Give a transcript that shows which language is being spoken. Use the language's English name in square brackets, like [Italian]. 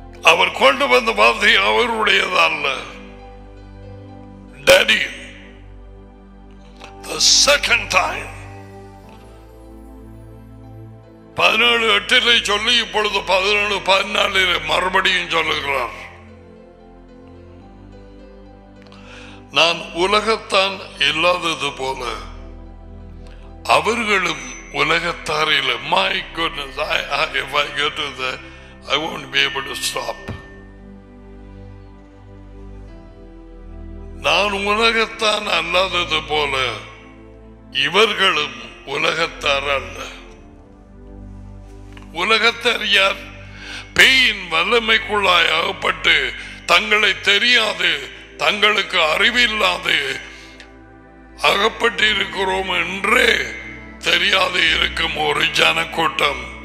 [Tamil] அவர் கொண்டு வந்த வார்த்தை அவருடையதல்ல. டாடி, [English] the second time [Tamil] 17:8 சொல்லி இப்பொழுது 17:14 மறுபடியும் சொல்லுகிறார், நான் உலகத்தான் இல்லாதது போல அவர்களும் உலகத்தாரில். [English] My goodness, if I get to that, I won't be able to stop. [Tamil] நான் உலகத்தான் அல்லாதது போல இவர்களும் உலகத்தார் அல்ல. உலகத்தார் யார்? பேயின் வல்லமைக்குள்ளாய் அகப்பட்டு தங்களை தெரியாது, தங்களுக்கு அறிவில்லாது அகப்பட்டிருக்கிறோம் என்றே தெரியாது இருக்கும் ஒரு ஜனக்கூட்டம்.